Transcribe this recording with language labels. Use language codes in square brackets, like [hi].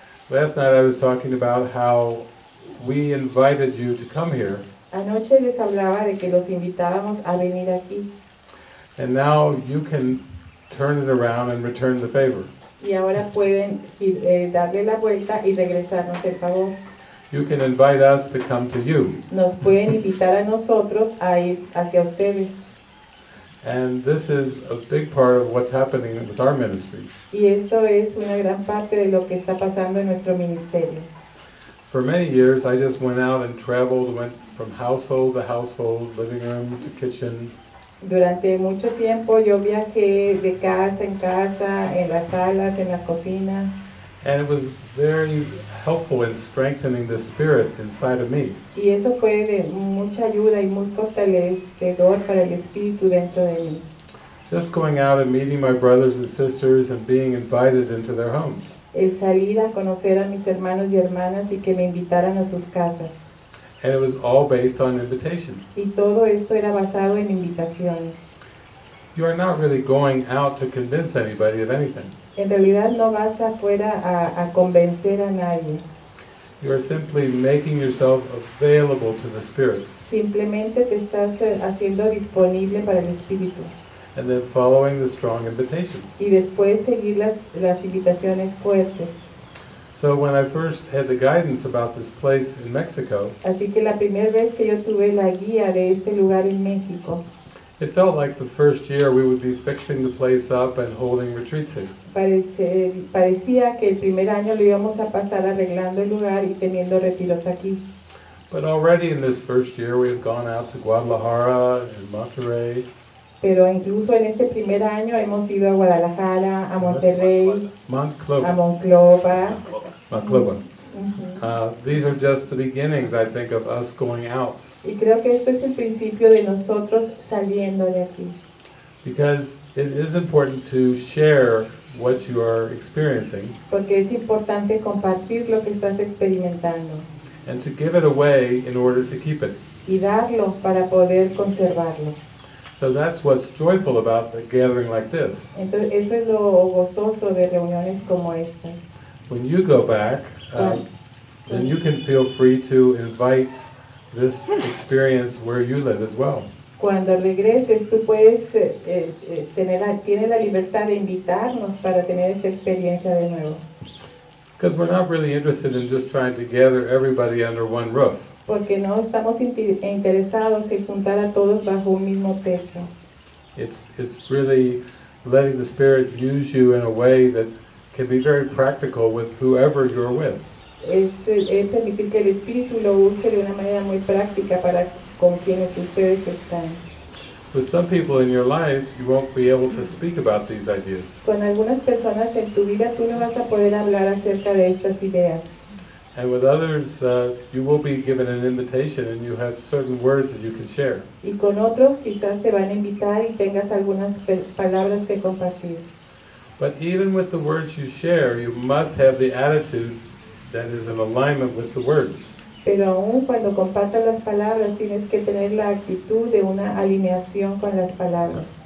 [en] Last night I was talking about how we invited you to come here. [es] Anoche les hablaba de que los invitábamos a venir aquí. [en] And now you can turn it around and return the favor. [es] Y ahora pueden darle la vuelta y regresarnos el favor. [en] you can invite us to come to you. [es] Nos pueden invitar a nosotros a ir hacia ustedes. [en] And this is a big part of what's happening with our ministry. [es] Y esto es una gran parte de lo que está pasando en nuestro ministerio. [en] For many years, I just went out and traveled, went from household to household, living room to kitchen. [es] Durante mucho tiempo, yo viajé de casa en casa, en las salas, en la cocina. [en] And it was very helpful in strengthening the spirit inside of me. [es] Y eso fue de mucha ayuda y muy fortalecedor para el espíritu dentro de mí. [en] Just going out and meeting my brothers and sisters and being invited into their homes. [es] El salir a conocer a mis hermanos y hermanas y que me invitaran a sus casas. [en] And it was all based on invitation. [es] Y todo esto era basado en invitaciones. [en] You are not really going out to convince anybody of anything. [es] En realidad no vas afuera a convencer a nadie. [en] You are simply making yourself available to the Spirit. [es] Simplemente te estás haciendo disponible para el Espíritu. [en] And then following the strong invitations. [es] Y después seguir las invitaciones fuertes. [en] So when I first had the guidance about this place in Mexico. [es] Así que la primera vez que yo tuve la guía de este lugar en México. [en] It felt like the first year we would be fixing the place up and holding retreats here. [es] Parecía que el primer año lo íbamos a pasar arreglando el lugar y teniendo retiros aquí. [en] But already in this first year we have gone out to Guadalajara and Monterrey. [es] Pero incluso en este primer año hemos ido a Guadalajara, a Monterrey, [en] Monclova. [es] A Monclova. [en] These are just the beginnings, I think, of us going out. [es] Y creo que este es el principio de nosotros saliendo de aquí. [en] Because it is important to share what you are experiencing. [es] Porque es importante compartir lo que estás experimentando. [en] And to give it away in order to keep it. [es] Y darlo para poder conservarlo. [en] So that's what's joyful about a gathering like this. [es] Entonces, eso es lo gozoso de reuniones como estas. [en] When you go back, then you can feel free to invite this experience where you live as well. [es] Cuando regreses, tú puedes tienes la libertad de invitarnos para tener esta experiencia de nuevo. [en] Because we're not really interested in just trying to gather everybody under one roof. [es] Porque no estamos interesados en juntar a todos bajo un mismo techo. [en] It's really letting the Spirit use you in a way that can be very practical with whoever you're with. [es] Es permitir que el Espíritu lo use de una manera muy práctica para con quienes ustedes están. [en] With some people in your life, you won't be able to speak about these ideas. [es] Con algunas personas en tu vida, tú no vas a poder hablar acerca de estas ideas. [en] And with others, you will be given an invitation and you have certain words that you can share. [es] Y con otros quizás te van a invitar y tengas algunas palabras que compartir. [en] But even with the words you share, you must have the attitude that is in alignment with the words. [es] Pero aún cuando compartas las palabras, tienes que tener la actitud de una alineación con las palabras.